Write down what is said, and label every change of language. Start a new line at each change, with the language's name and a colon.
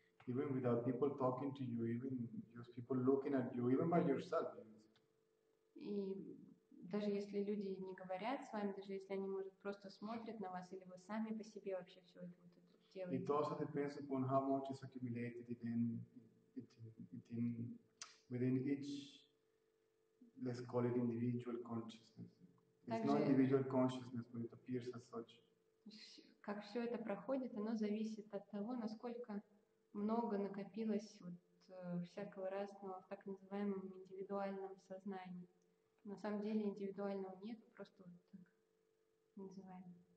English: Even without people talking to you, even just people looking at you, even by yourself.
Russian: И даже если люди не говорят с вами, даже если они, может, просто смотрят на вас, или вы сами по себе вообще все это вот делаете.
English: It also depends upon how much is accumulated within each, let's call it individual consciousness. It's not individual consciousness, but it appears as such.
Russian: Как все это проходит, оно зависит от того, насколько много накопилось вот всякого разного в так называемом индивидуальном сознании. На самом деле индивидуального нет, просто вот так называем.